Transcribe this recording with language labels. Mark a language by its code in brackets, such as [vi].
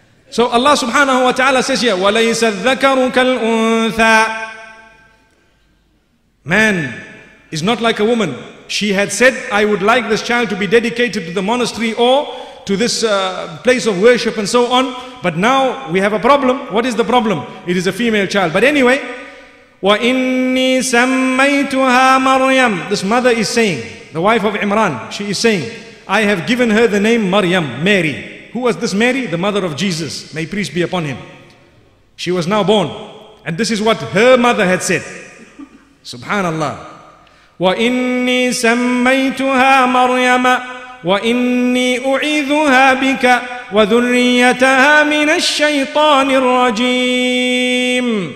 [en] So Allah subhanahu wa ta'ala says here, [ar] وَلَيْسَ الذَّكَرُ كَالْأُنْثَىٰ. [en] Man is not like a woman. She had said, I would like this child to be dedicated to the monastery or to this place of worship and so on. But now we have a problem. What is the problem? It is a female child. But anyway, [ar] وَإِنِّي سَمَّيْتُهَا مَرْيَمُ. [en] This mother is saying, the wife of Imran, she is saying, I have given her the name Maryam, Mary. Who was this Mary? The mother of Jesus. May peace be upon him. She was now born. And this is what her mother had said. [ar] Subhanallah. وَإِنِّي سَمَّيْتُهَا مَرْيَمَ وَإِنِّي أُعِذُهَا بِكَ وَذُرِّيَّتَهَا مِنَ الشَّيْطَانِ الرَّجِيمِ.